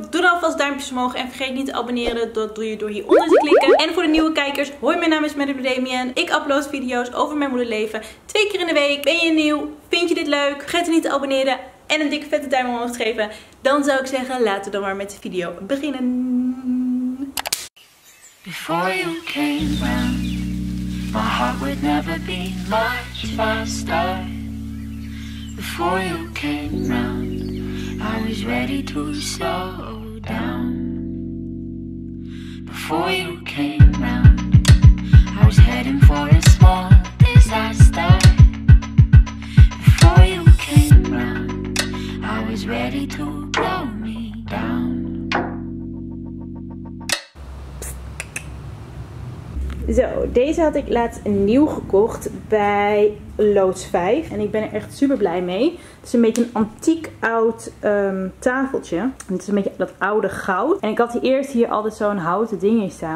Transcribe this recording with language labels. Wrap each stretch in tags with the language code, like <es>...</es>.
<nl>Doe dan alvast duimpjes omhoog. En vergeet niet te abonneren. Dat doe je door hieronder te klikken. En voor de nieuwe kijkers. Hoi, mijn naam is Madame Damien. Ik upload video's over mijn moederleven. 2 keer in de week. Ben je nieuw? Vind je dit leuk? Vergeet niet te abonneren. En een dikke vette duim omhoog te geven. Dan zou ik zeggen, laten we dan maar met de video beginnen.</nl> <en>Before you came around, my heart would never be much faster. Before you came around, I was ready to slow down. Before you came around, I was heading for a small disaster. Before you came around, I was ready to blow me down.</en> <nl>Zo, deze had ik laatst nieuw gekocht bij Loods 5. En ik ben er echt super blij mee. Het is een beetje een antiek oud tafeltje. En het is een beetje dat oude goud. En ik had eerst hier altijd zo'n houten ding in staan.</nl>